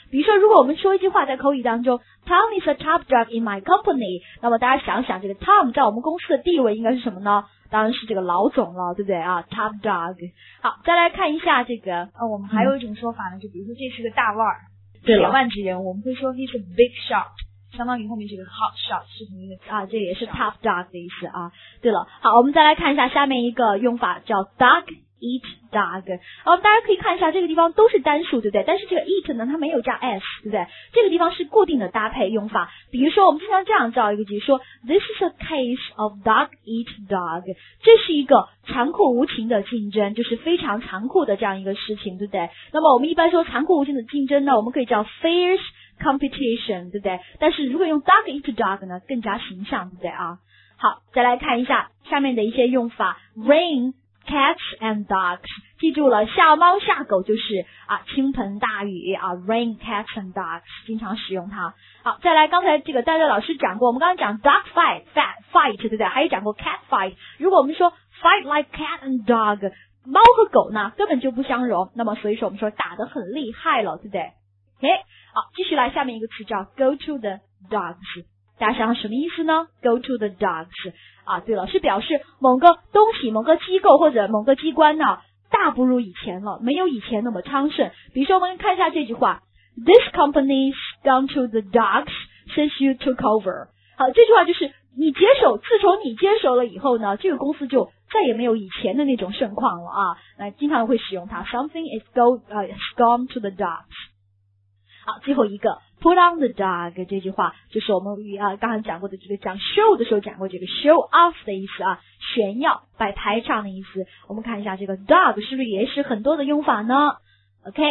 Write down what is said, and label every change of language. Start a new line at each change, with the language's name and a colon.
Chinese: 比如说如果我们说一句话在口语当中 ,
English: Tom is a top dog in my company,
Chinese: 那么大家想想这个 Tom 在我们公司的地位应该是什么呢？当然是这个老总了，对不对,top dog。好，再来看一下这个我们还有一种说法呢，就比如说这是个大腕儿，铁腕之人，我们会说
English: he's a big shot。
Chinese: 相当于后面这个 hot shot 是什么意思这也是 top dog 的意思对了，好，我们再来看一下下面一个用法叫 dog
English: eat dog。
Chinese: 然后大家可以看一下，这个地方都是单数，对不对？但是这个 eat 呢，它没有加 s， 对不对？这个地方是固定的搭配用法。比如说，我们经常这样造一个句，说
English: This is a case of dog eat dog。
Chinese: 这是一个残酷无情的竞争，就是非常残酷的这样一个事情，对不对？那么我们一般说残酷无情的竞争呢，我们可以叫 fierce competition， 对不对？但是如果用 dog eat dog 呢，更加形象，对不对啊？好，再来看一下下面的一些用法 ，rain。 Cats and dogs， 记住了，下猫下狗就是啊，倾盆大雨啊 ，
English: rain cats and dogs，
Chinese: 经常使用它。好，再来，刚才这个戴戴老师讲过，我们刚刚讲 dog fight， 对不对？还有讲过 cat fight。如果我们说
English: fight like cat and dog，
Chinese: 猫和狗呢根本就不相容，那么所以说我们说打得很厉害了，对不对 ？OK， 好，继续来下面一个词叫
English: go to the dogs。
Chinese: 大家想什么意思呢 ？
English: Go to the dogs
Chinese: 啊，对了，是表示某个东西、某个机构或者某个机关呢，大不如以前了，没有以前那么昌盛。比如说，我们看一下这句话
English: ：This company's gone to the dogs since you took over。
Chinese: 好，这句话就是你接手，自从你接手了以后呢，这个公司就再也没有以前的那种盛况了啊。那经常会使用它 ，
English: Something is gone to the dogs。
Chinese: 好，最后一个。
English: Put on the dog
Chinese: 这句话就是我们刚才讲过的这个讲 show 的时候讲过这个 show off 的意思啊，炫耀摆台上的意思。我们看一下这个 dog 是不是也是很多的用法呢 ？OK。